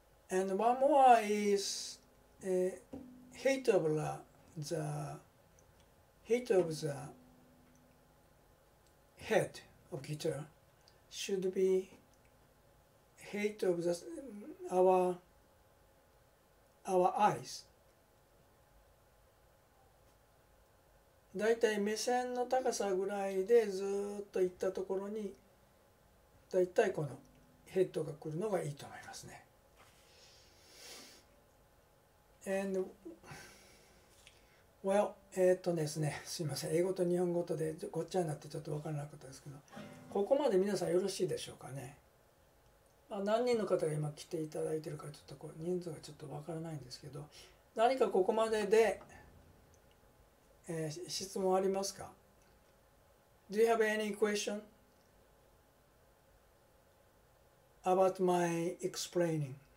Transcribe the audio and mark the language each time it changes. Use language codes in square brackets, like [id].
[en] And one more is height of the height of the head of guitar should be height of the our eyes. [ja] だいたい目線の高さぐらいでずっと行ったところにだいたいこのヘッドが来るのがいいと思いますね。 [en] And well, [ja] ですね、すみません、英語と日本語とでごっちゃになってちょっと分からなかったですけど、ここまで皆さんよろしいでしょうかね。まあ、何人の方が今来ていただいてるかちょっとこう人数がちょっと分からないんですけど、何かここまでで、質問ありますか。 [en] Do you have any question about my explaining?